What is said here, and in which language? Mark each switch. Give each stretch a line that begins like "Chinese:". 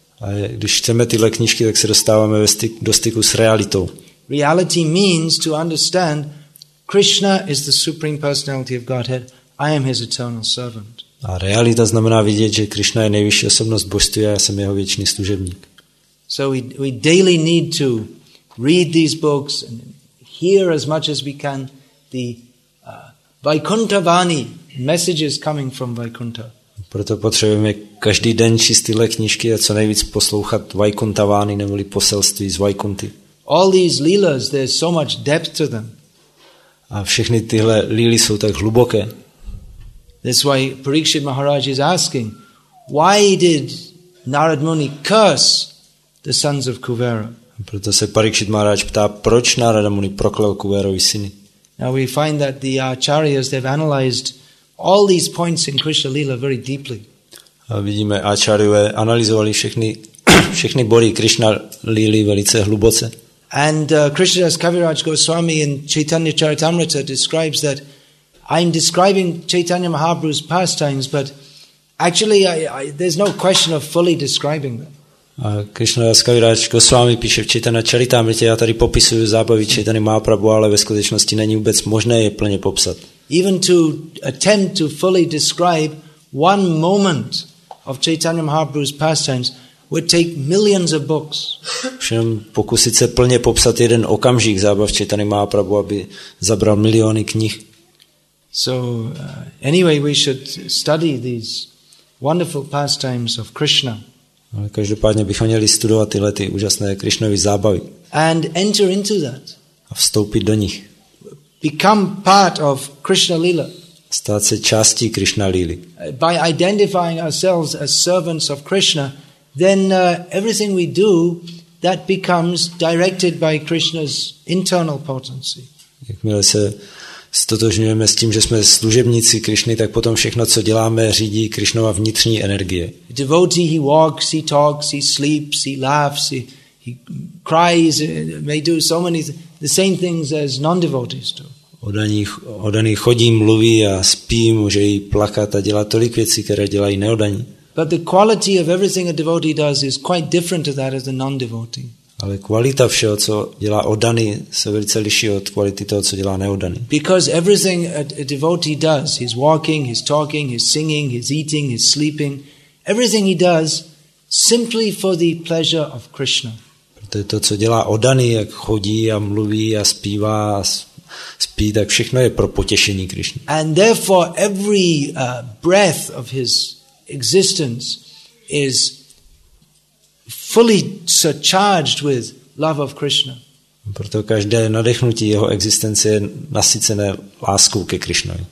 Czech: A když čteme tyhle knížky, tak se dostáváme do styku s realitou.
English: Reality means to understand Krishna is the supreme personality of Godhead. I am his eternal servant.
Czech: A realita znamená vidět, že Krishna je nejvyšší osobnost božství a já jsem jeho věčný služebník.
English: So we daily need to read these books and hear as much as we can the Vaikuntha Vani, messages coming from Vaikuntha.
Czech: Proto potřebujeme každý den číst tyhle knížky a co nejvíc poslouchat Vaikuntha Vani, neboli poselství z Vaikunty.
English: All these leelas, there's so much depth to them.
Czech: A všechny tyhle líly jsou tak hluboké.
English: That's why Parikshit Maharaj is asking, why did Narad Muni curse the sons of Kuvera?
Czech: Proto se Parikshit Maharaj ptá, proč Narada Muni proklel Kuverovi syny.
English: Now we find that the acharyas, they've analyzed all these points in Krishna Lila very deeply.
Czech: A vidíme, acharyové analyzovali všechny body Krishna Lily velice hluboce.
English: And Krishnadas Kaviraj Goswami in Chaitanya Charitamrita describes that I'm describing Chaitanya Mahaprabhu's pastimes, but actually I there's no question of fully describing them.
Czech: A Krishnadas Kaviraj Goswami píše v Chaitanya Charitamrita, já tady popisuju zábavy Chaitanya Mahaprabhu, ale ve skutečnosti není vůbec možné je plně popsat.
English: Even to attempt to fully describe one moment of Chaitanya Mahaprabhu's pastimes would take millions of books.
Czech: Všem pokusit se plně popsat jeden okamžik zábav Chaitanya Mahaprabhu, aby zabral miliony knih.
English: So anyway, we should study these wonderful pastimes of Krishna.
Czech: Ale každopádně bychom měli studovat tyhle ty úžasné Krishnovy zábavy.
English: And enter into that.
Czech: A vstoupit do nich.
English: Become part of Krishna Lila.
Czech: Stát se částí Krishna Lily.
English: By identifying ourselves as servants of Krishna, then everything we do that becomes directed by Krishna's internal potency.
Czech: Jakmile se stotožňujeme s tím, že jsme služebníci Krishny, tak potom všechno, co děláme, řídí Krishnova vnitřní energie.
English: A devotee, he walks, he talks, he sleeps, he laughs, he cries, may do so many the same things as non-devotees do.
Czech: Oddaný chodí, mluví a spí, může jí plakat a dělat tolik věcí, které dělají neoddaní.
English: But the quality of everything a devotee does is quite different to that as a non-devotee.
Czech: Ale kvalita všeho, co dělá oddaný, se velice liší od kvality toho, co dělá neoddaný.
English: Because everything a devotee does, his walking, his talking, his singing, his eating, his sleeping, everything he does simply for the pleasure of Krishna.
Czech: To je to, co dělá oddaný, jak chodí a mluví a zpívá a spí, tak všechno je pro potěšení Krishny.
English: And therefore every breath of his existence is fully surcharged with love of Krishna.
Czech: Proto každé nadechnutí jeho existence je nasycené láskou ke Krishnovi.